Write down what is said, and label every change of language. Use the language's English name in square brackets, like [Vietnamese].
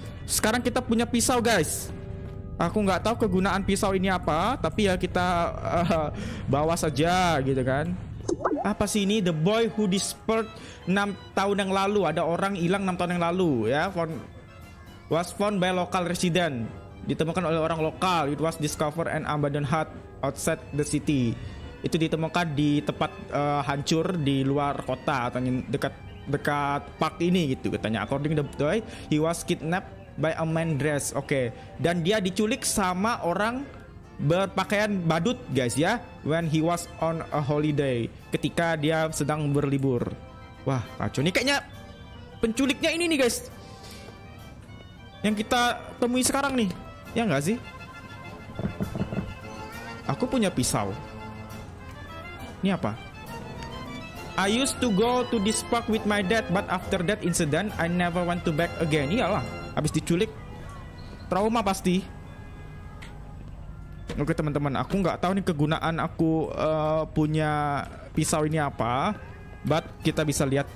[Indonesian] Sekarang kita punya pisau, guys. Aku nggak tahu kegunaan pisau ini apa, tapi ya kita bawa saja gitu kan. Apa sih ini? [English] The boy who disappeared [Indonesian] 6 tahun yang lalu. Ada orang hilang 6 tahun yang lalu ya. [English] Was found by local resident. [Indonesian] Ditemukan oleh orang lokal. [English] It was discovered an abandoned hut outside the city. [Indonesian] Itu ditemukan di tempat hancur di luar kota atau dekat park ini gitu katanya. [English] According to the boy, he was kidnapped by a man dressed. Okay. [Indonesian] Dan dia diculik sama orang berpakaian badut guys ya. [English] When he was on a holiday, [Indonesian] ketika dia sedang berlibur. Wah, kacau nih kayaknya penculiknya ini nih guys. Yang kita temui sekarang nih. Ya enggak sih? Aku punya pisau. Ini apa? [English] I used to go to this park with my dad, but after that incident, I never want to back again. [Indonesian] Iyalah, abis diculik, trauma pasti. Oke teman-teman, aku nggak tahu nih kegunaan aku punya pisau ini apa, but kita bisa lihat.